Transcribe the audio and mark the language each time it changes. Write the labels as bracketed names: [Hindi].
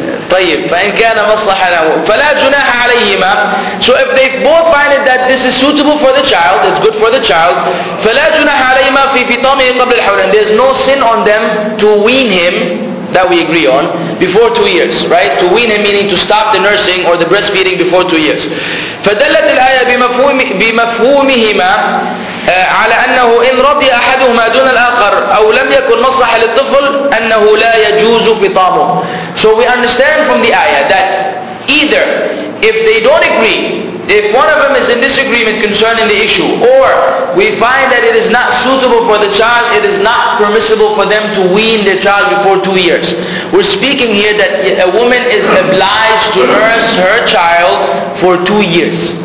[Arabic] طيب فإن كان مصلحة له فلا جناح عليهما. [English] So if they both find it that this is suitable for the child, it's good for the child, [Arabic] فلا جناح عليهما في فطامه قبل الحولين. [English] There's no sin on them to wean him, that we agree on, before 2 years, right? To wean him, meaning to stop the nursing or the breastfeeding before 2 years. [Arabic] فدلت الآية بمفهومهما على أنه إن رضي أحدهما دون الآخر أو لم يكن مصلح للطفل أنه لا يجوز فطامه. [English] So we understand from the ayah that either if they don't agree, if one of them is in disagreement concerning the issue, or we find that it is not suitable for the child, it is not permissible for them to wean the child before 2 years. We're speaking here that a woman is obliged to nurse her child for 2 years.